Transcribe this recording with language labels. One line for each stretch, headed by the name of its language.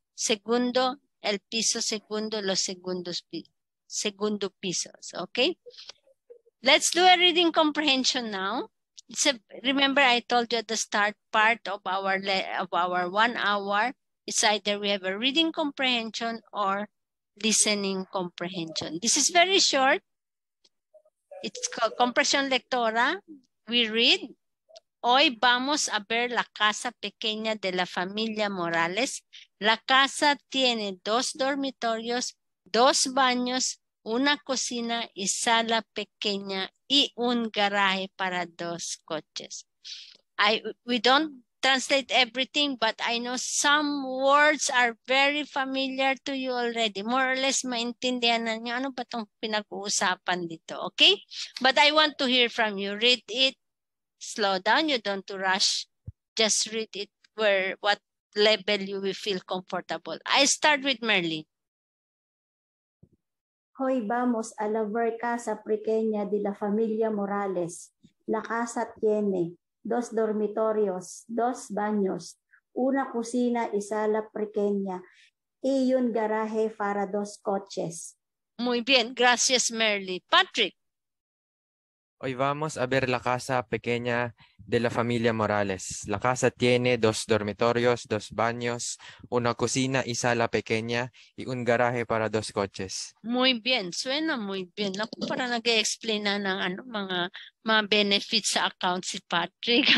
Spanish: Segundo, el piso, segundo, los segundos, segundo pisos.
English: Okay? Let's do a reading comprehension now. It's a, remember, I told you at the start part of our 1 hour, it's either we have a reading comprehension or listening comprehension. This is very short. It's called
Spanish: compresión lectora.
English: We read.
Spanish: Hoy vamos a ver la casa pequeña de la familia Morales. La casa tiene dos dormitorios, dos baños, una cocina y sala pequeña y un garaje para dos coches.
English: We don't translate everything, but I know some words are very familiar to you already. More or less,
Filipino: maintindihan na niyo ano ba itong pinag-uusapan dito, okay?
English: But I want to hear from you. Read it. Slow down. You don't rush. Just read it where what level you will feel comfortable. I start with Merly.
Spanish: Hoy vamos a la ver casa pequeña de la familia Morales. La casa tiene dos dormitorios, dos baños, una cocina y sala pequeña, y un garaje para dos coches. Muy bien, gracias Merly. Patrick. Hoy vamos a ver la casa pequeña de la familia Morales. La casa tiene dos dormitorios, dos baños, una cocina y sala pequeña, y un garaje para dos coches. Muy bien, suena muy bien.
Filipino: Ako para nag-explain na ng ano, mga benefits sa account si Patrick.